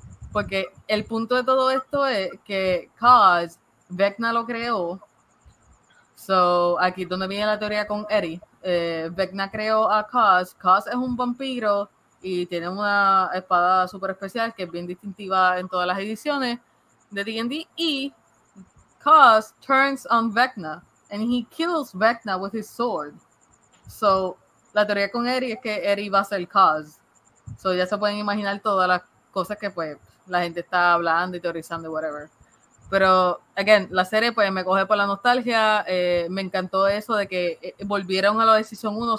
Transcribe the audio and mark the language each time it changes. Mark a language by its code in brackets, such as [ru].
[es] Porque el punto de todo esto es que Kaz... Vecna lo creó. So, aquí donde viene la teoría con Eddie. Vecna creó a Kaz. Kaz es un vampiro y tiene una espada super especial que es bien distintiva en todas las ediciones de D&D. [en] Y Kaz turns on Vecna and he kills Vecna with his sword. [es] So, la teoría con Eddie es que Eddie va a ser Kaz. So, ya se pueden imaginar todas las cosas que pues la gente está hablando y teorizando y whatever. Pero, again, la serie pues me coge por la nostalgia, me encantó eso de que volvieron a lo de Season 1.